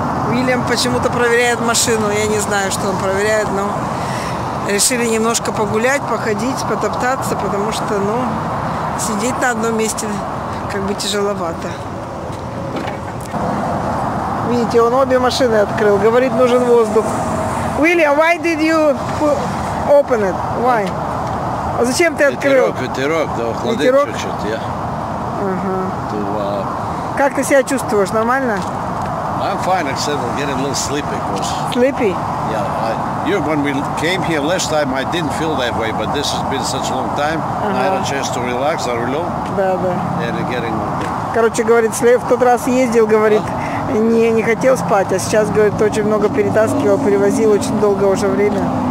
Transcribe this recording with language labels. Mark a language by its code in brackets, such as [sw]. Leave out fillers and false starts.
[ru] Уильям почему-то проверяет машину. Я не знаю, что он проверяет, но... Решили немножко погулять, походить, потоптаться, потому что, ну, сидеть на одном месте как бы тяжеловато. Видите, он обе машины открыл. Говорит, нужен воздух. [en] Уильям, why did you open it? Why? [ru] А зачем ты открыл? Ветерок, да, охладил чуть-чуть, я. Ага. Как ты себя чувствуешь? Нормально? [en] I'm fine, except I'm getting a little sleepy. Sleepy? Yeah. You know, when we came here last time, I didn't feel that way, but this has been such a long time. Uh-huh. I had a chance to relax, I relax. [ru] Да-да. [en] And I'm getting... [ru] Короче, говорит, в тот раз ездил, говорит, не хотел спать, а сейчас, говорит, очень много перетаскивал, перевозил очень долго уже время.